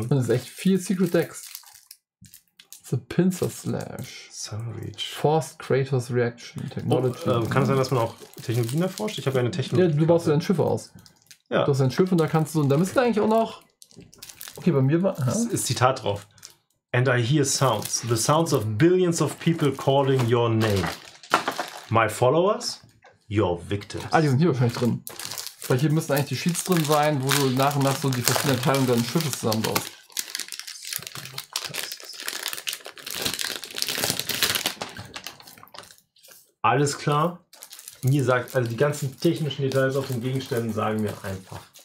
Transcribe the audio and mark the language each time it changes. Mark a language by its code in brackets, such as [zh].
[de] Und es ist echt viel Secret Decks. The Pincer Slash. [en] Sun Reach. Forced Kratos Reaction Technology. [de] Oh, kann es sein, dass man auch Technologien erforscht? Ich habe eine Technologie. Ja, du baust dein Schiff aus. Ja. Du hast ein Schiff und da kannst du, und da müsste eigentlich auch noch. Okay, bei mir war. Das ist Zitat drauf. [en] And I hear sounds, the sounds of billions of people calling your name. My followers, your victims. [de] Ah, die sind hier wahrscheinlich drin. Weil hier müssen eigentlich die Sheets drin sein, wo du nach und nach so die verschiedenen Teilungen deines Schiffes zusammenbaust. Alles klar. Mir sagt, also die ganzen technischen Details auf den Gegenständen sagen mir einfach.